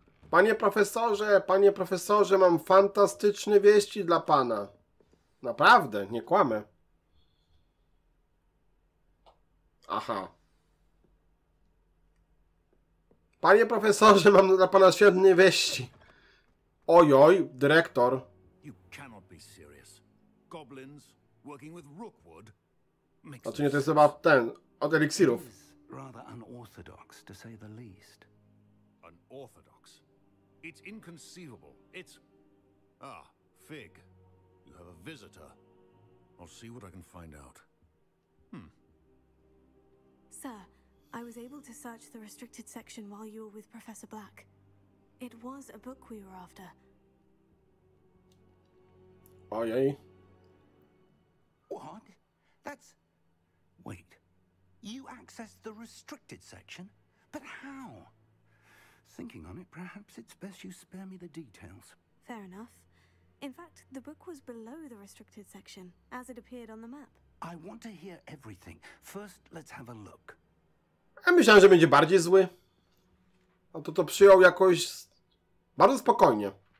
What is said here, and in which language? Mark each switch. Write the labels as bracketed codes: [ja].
[pl] Panie profesorze, mam fantastyczne wieści dla pana. Naprawdę, nie kłamę. Aha. Panie profesorze, mam dla pana świetne wieści. Ojoj, dyrektor. [en] You cannot be serious. Goblins working with Rookwood. [pl] A czy nie to jest chyba ten od eliksirów? [en] Rather unorthodox, to say the least. Unorthodox? It's inconceivable. It's... Ah, Fig. You have a visitor. I'll see what I can find out. Sir, I was able to search the restricted section while you were with Professor Black. It was a book we were after. Ojej. What? That's... Wait. You accessed the restricted section? But how? Thinking on it, perhaps it's best you spare me the details. Fair enough. In fact, the book was below the restricted section, as it appeared on the map. I want to hear everything. First, let's have a look. [pl] Ja myślałem, że będzie bardziej zły. A to przyjął jakoś bardzo spokojnie.